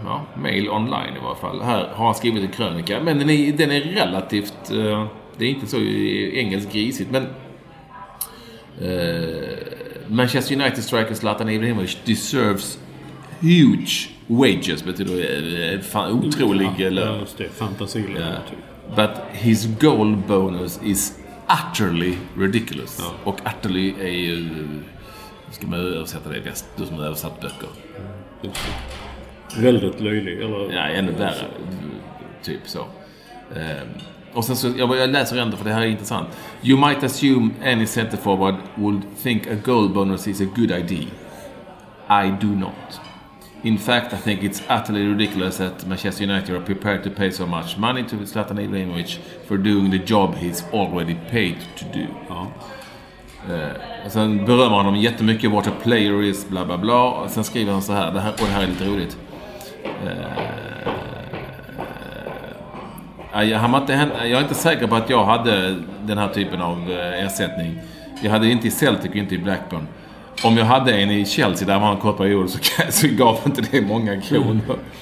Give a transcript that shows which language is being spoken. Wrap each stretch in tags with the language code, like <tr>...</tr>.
<sv>Ja, Mail Online i varje fall. Här har han skrivit en krönika, men den är relativt, det är inte så engelsk grisigt, men</sv> <en>Manchester United striker Zlatan Ibrahimovic deserves huge wages,</en> <sv>betyder otrolig eller fantasilön. Yeah.</sv> <en>But his goal bonus is utterly ridiculous.</en> <sv>Ja. Och utterly är ju, ska man översätta det bäst, du som har översatt böcker. Väldigt löjlig eller ja, ännu värre typ så. Och sen så, jag läser ändå, för det här är intressant.</sv> <en>You might assume any center forward would think a goal bonus is a good idea. I do not. In fact, I think it's utterly ridiculous that Manchester United are prepared to pay so much money to Zlatan Ibrahimovic for doing the job he's already paid to do.</en> <sv>Ja. Och sen berömmer han dem jättemycket,</sv> <en>what a player is,</en> <sv>bla bla bla. Och sen skriver han så här, det här är lite roligt. Jag är inte säker på att jag hade den här typen av ersättning. Jag hade inte i Celtic och inte i Blackburn. Om jag hade en i Chelsea där man har en kort period, så gav inte det många kronor.</sv>